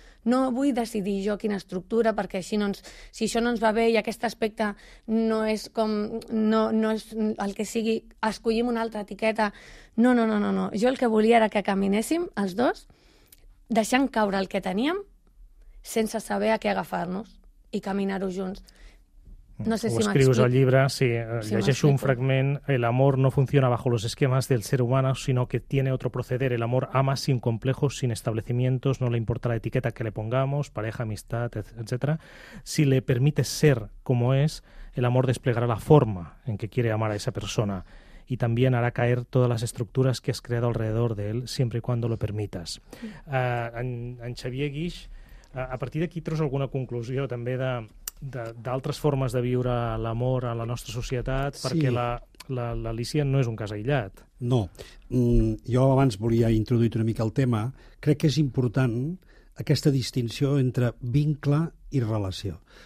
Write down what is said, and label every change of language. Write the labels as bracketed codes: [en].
[ca] No vull decidir jo quina estructura, perquè així no ens, si això no ens va bé i aquest aspecte no és com no és el que sigui, escollim una altra etiqueta. No. Jo el que volia era que caminéssim els dos, deixant caure el que teníem, sense saber a què agafar-nos i caminar-ho junts. No sé ho si escrius al llibre, sí, si llegeixo un fragment. [es] El amor no funciona bajo los esquemas del ser humano, sino que tiene otro proceder. El amor ama sin complejos, sin establecimientos, no le importa la etiqueta que le pongamos, pareja, amistad, etc. Si le permite ser como es, el amor desplegará la forma en que quiere amar a esa persona y también hará caer todas las estructuras que has creado alrededor de él, siempre y cuando lo permitas. [ca] En Xavier Guix, a partir d'aquí treus alguna conclusió també de... d'altres formes de viure l'amor a la nostra societat, perquè sí, l'Alícia no és un cas aïllat. No. Jo abans volia introduir una mica el tema. Crec que és important aquesta distinció entre vincle i relació.